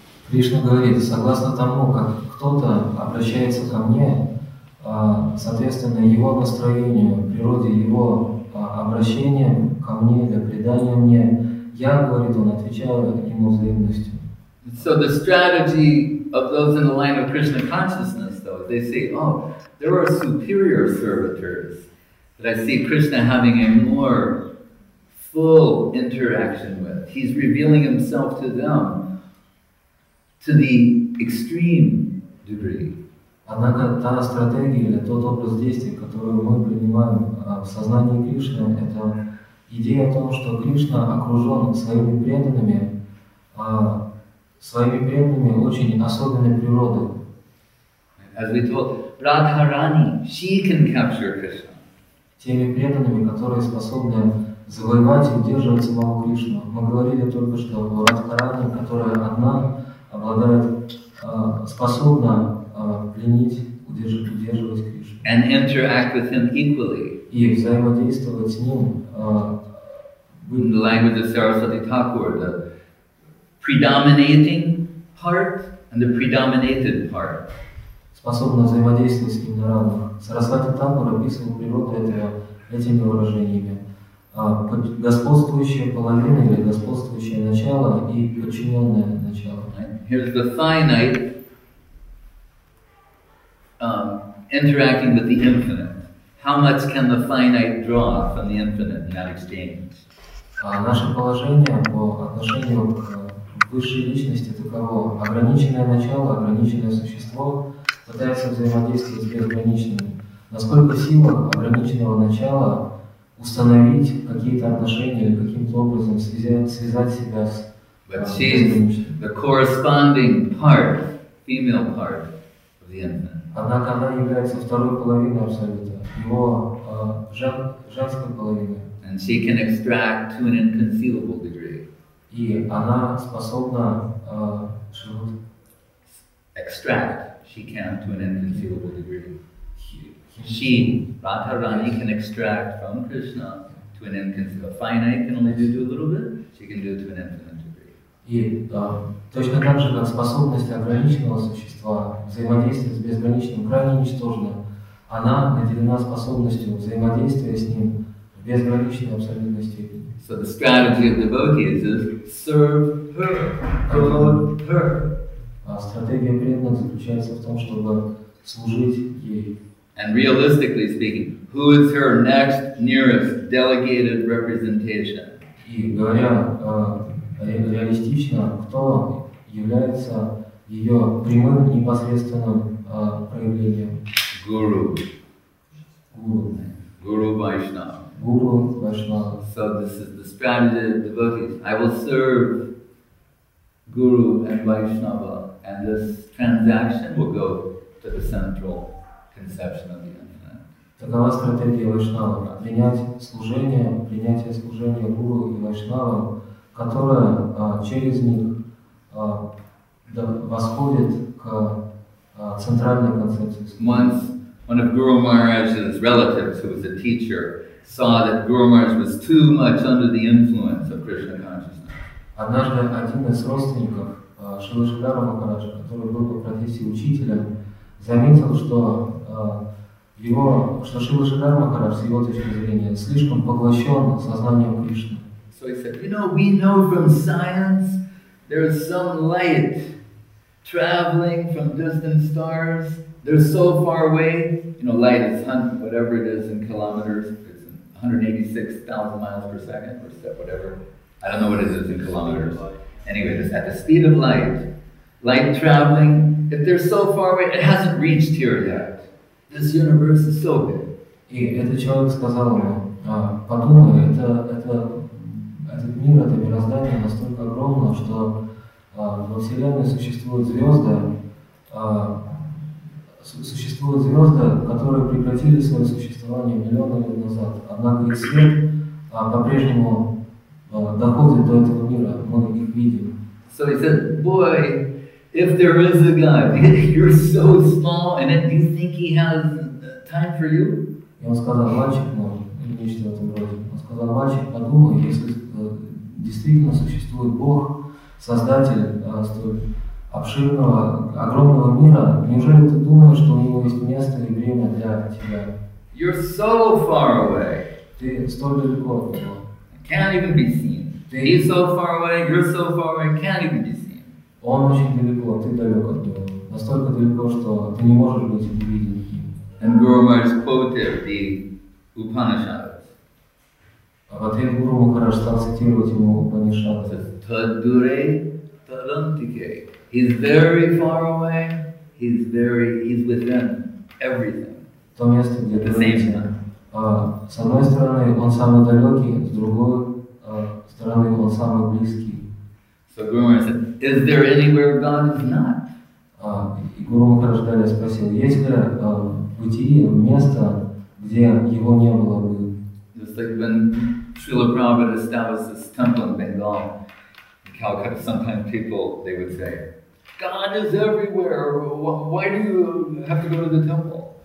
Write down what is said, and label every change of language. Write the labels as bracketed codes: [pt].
[ru] Кришна говорит, согласно тому, как кто-то обращается ко мне, соответственно, его настроению, природе его обращения ко мне или предания мне, я, говорит, он отвечает ему взаимностью. [en] So the strategy of those in the line of Krishna consciousness, though, they say, oh, there are superior servitors that I see Krishna having a more full interaction with. He's revealing himself to them to the extreme degree. [ru] Однако та стратегия или тот образ действий, который мы принимаем в сознании Кришны, это идея о том, что Кришна окружен своими преданными очень особенной природой. [en] As we told, Radharani, she can capture Krishna. [ru] Теми преданными, которые способны завоевать и удерживать самого Кришну. Мы говорили только что о Радхаране, которая одна обладает, способна пленить, удерживать Кришну. [en] And interact with him equally. [ru] И взаимодействовать с ним. [en] In the language of Sarasvati Thakur, the predominating part and the predominated part. [ru] Способна взаимодействовать с ним на равных. Сарасвати Тхакур описывал природу этими выражениями. Господствующая половина или господствующее начало и подчиненное начало. [en] Here's the finite interacting with the infinite. How much can the finite draw from the infinite in that exchange? [ru] Наше положение по отношению к высшей личности таково. Ограниченное начало, ограниченное существо пытается взаимодействовать с безграничным. Насколько сила ограниченного начала установить какие-то отношения или каким-то образом связать себя с [en] the corresponding part, female part of the infinite. [ru] Однако она является второй половиной абсолюта, его женской половиной. [en] And she can extract to an inconceivable degree. [ru] И она способна [en] extract, she can to an inconceivable degree. She, Radharani, can extract from Krishna to an infinite. A finite can only do a little bit, she can do it to an infinite degree. [ru] И точно так же, как способность ограниченного существа взаимодействовать с безграничным крайне ничтожна, она наделена способностью взаимодействия с ним в безграничной абсолютной степени. [en] So the strategy of devotees is serve her, promote her. [ru] Стратегия преданных заключается в том, чтобы служить ей. [en] And realistically speaking, who is her next nearest delegated representation? [ru] И говоря реалистично, кто является ее прямым непосредственным проявлением? [en] Guru. [ru] Guru. [en] Guru Vaishnava. [ru] Guru Vaishnava. [en] So this is the strategy of devotees. I will serve Guru and Vaishnava, and this transaction will go to the central conception of the infinite. [ru] Такова стратегия Вайшнава. Принять служение, принятие служения Гуру и Вайшнава, которое через них восходит к центральной концепции. [en] Once one of Guru Maharaj's relatives, who was a teacher, saw that Guru Maharaj was too much under the influence of Krishna consciousness. [ru] Однажды один из родственников Шилы Шридхара Махараджа, который был по профессии учителем, заметил, что его, что Шрила Шридхар Махарадж, с его точки зрения, слишком поглощен сознанием Кришны. [en] So he said, you know, we know from science there is some light traveling from distant stars. They're so far away. You know, light is 100, whatever it is in kilometers. It's 186,000 miles per second or whatever. I don't know what it is in kilometers. Anyway, it's at the speed of light. Light traveling. If they're so far away, it hasn't reached here yet. This universe is so big. [ru] И этот человек сказал ему, подумай, этот мир, это мироздание настолько огромно, что во Вселенной существуют звезды, которые прекратили свое существование миллионы лет назад. Однако их свет по-прежнему доходит до этого мира, мы их видим. [en] So he said, boy, if there is a God, you're so small, and then you think he has time for you? [ru] И он сказал, мальчик мой, или нечто в этом роде, он сказал, мальчик, подумай, если действительно существует Бог, создатель столь обширного, огромного мира, неужели ты думаешь, что у него есть место и время для тебя? [en] You're so far away. [ru] Ты столь далеко от него. [en] Can't even be seen. He's so far away, you're so far away, can't even be seen. [ru] Он очень далеко, ты далек от него. Настолько далеко, что ты не можешь быть невидим. [en] And Guru Maharaj quoted the Upanishad. [ru] А в ответ Гуру Махарадж стал цитировать ему Упанишад. [sa] Тадуре тадантике. [en] He's very far away. He's within everything. [ru] То место, где ты видишь. С одной стороны, он самый далекий, с другой стороны, он самый близкий. [en] So Guru Махарадж said, is there anywhere God is not? [ru] И Гуру Махарадж далее спросил, есть ли в бытии место, где его не было бы? [en] Just like when Srila Prabhupada established this temple in Bengal, in Calcutta, sometimes people, they would say, God is everywhere, why do you have to go to the temple?